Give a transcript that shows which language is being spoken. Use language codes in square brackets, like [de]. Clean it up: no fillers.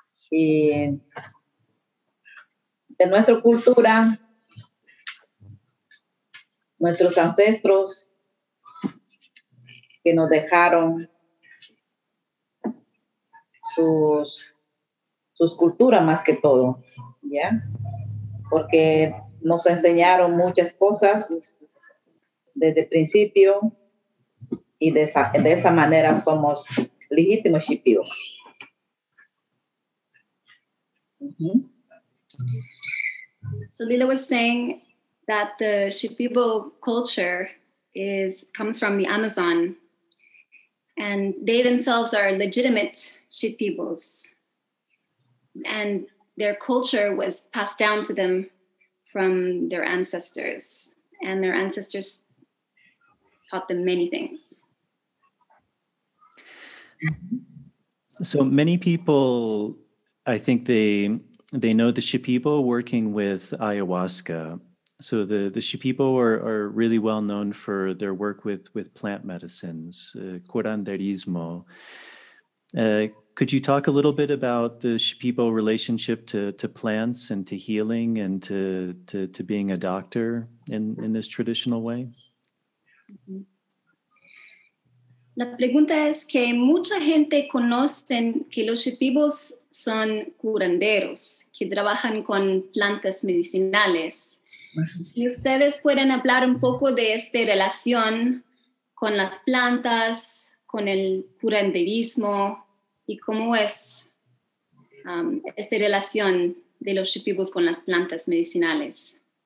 [es] Y de nuestra cultura, nuestros ancestros que nos dejaron sus culturas más que todo, ¿ya? Porque nos enseñaron muchas cosas desde el principio y de esa manera somos legítimos shipibos. Mm-hmm. [en] So Lila was saying that the Shipibo culture comes from the Amazon, and they themselves are legitimate Shipibos, and their culture was passed down to them from their ancestors, and their ancestors taught them many things. So many people, I think they know the Shipibo working with ayahuasca. So the Shipibo are really well known for their work with plant medicines, curanderismo. Could you talk a little bit about the Shipibo relationship to plants and to healing and to being a doctor in this traditional way? [es] La pregunta es que mucha gente conocen que los Shipibos son curanderos, que trabajan con plantas medicinales. Si ustedes pueden hablar un poco de esta relación con las plantas, con el curanderismo, y cómo es esta relación de los Shipibos con las plantas medicinales.